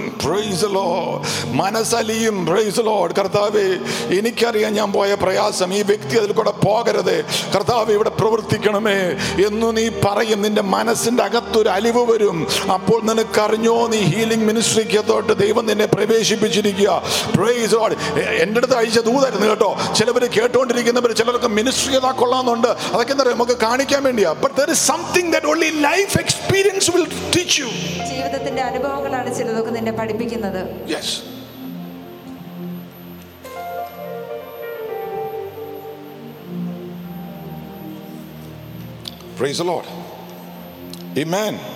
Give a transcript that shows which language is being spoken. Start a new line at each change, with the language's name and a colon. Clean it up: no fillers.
English: Praise the Lord.
Malayalam: മനസ്സലിയും. Praise the Lord. കർത്താവേ, എനിക്കറിയാം ഞാൻ പോയ പ്രയാസം, ഈ വ്യക്തി അതിൽ കൂടെ പോകരുതേ, കർത്താവേ ഇവിടെ പ്രവർത്തിക്കണമേ എന്നു നീ പറയും. നിന്റെ മനസ്സിന്റെ അകത്തൊരു അലിവ് വരും. അപ്പോൾ നിനക്കറിഞ്ഞോ, നീ ഹീലിംഗ് മിനിസ്ട്രിക്ക് അകത്തോട്ട് ദൈവം നിന്നെ പ്രവേശിപ്പിച്ചിരിക്കുക.
English: Praise the Lord.
Malayalam: എന്റെ അടുത്ത് അയച്ച ദൂതായിരുന്നു കേട്ടോ. ചിലവർ കേട്ടുകൊണ്ടിരിക്കുന്നവർ, ചിലർക്ക് മിനിസ്ട്രി ഏതാ കൊള്ളാമെന്നുണ്ട്, അതൊക്കെ എന്താ നമുക്ക് കാണിക്കാൻ വേണ്ടിയാ.
English: But there is something that only life experience will teach you.
Malayalam: ജീവിതത്തിന്റെ അനുഭവങ്ങളാണ് ചിലതൊക്കെ നിന്നെ പഠിപ്പിക്കുന്നത്.
English: Yes. Praise the Lord. Amen.